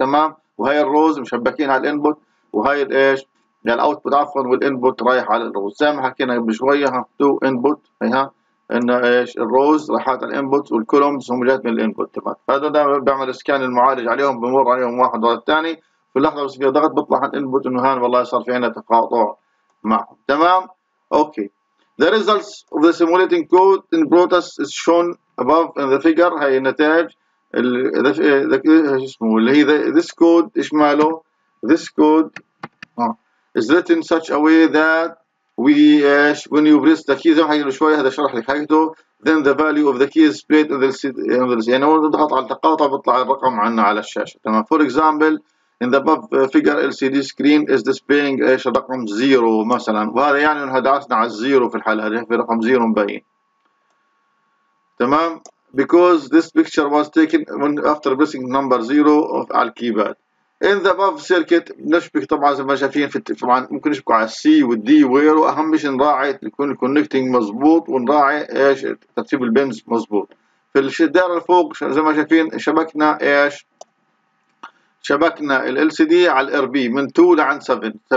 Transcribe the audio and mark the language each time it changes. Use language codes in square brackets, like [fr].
[ar] تمام، وهي الروز مشبكين على الانبوت وهي الايش الاوتبوت عفوا والانبوت رايح على الروز زي ما حكينا قبل شويه، ها تو انبوت هيها ان ايش الروز راحت على الانبوت والكولومز هم جات من الانبوت. تمام، هذا ده بيعمل سكان المعالج عليهم بمر عليهم واحد ورا الثاني، في لحظة بس فيها ضغط بطلع عن انبوت انه هان والله صار في عندنا تقاطع معهم. تمام؟ اوكي. [en] The results of the simulating code in Protoss is shown above in the figure. [ar] هاي النتائج اللي اسمه اللي هي [en] this code ايش ماله؟ This code is written such a way that we when you press the key [ar] زي ما حكينا شوي هذا شرح لك حكيته. [en] Then the value of the key is displayed in the [ar] يعني لما تضغط على التقاطع بيطلع الرقم عنا على الشاشة. تمام؟ [en] For example in the above figure LCD screen is displaying [ar] ايش رقم 0 مثلا، وهذا يعني انه دعسنا على الزيرو في الحاله هذه في رقم 0 مبين. [en] تمام؟ Because this picture was taken when after pressing number 0 of [ar] على الكيباد. [en] In the above circuit [ar] نشبك طبعا زي ما شايفين في طبعا ممكن نشبكوا على السي والدي وير، واهم شيء نراعي يكون الكونكتنج مظبوط ونراعي ايش ترتيب البنز مظبوط. في الدائره اللي فوق زي ما شايفين شبكنا ايش؟ شبكنا ال LCD على ال RB من 2 لعند 7.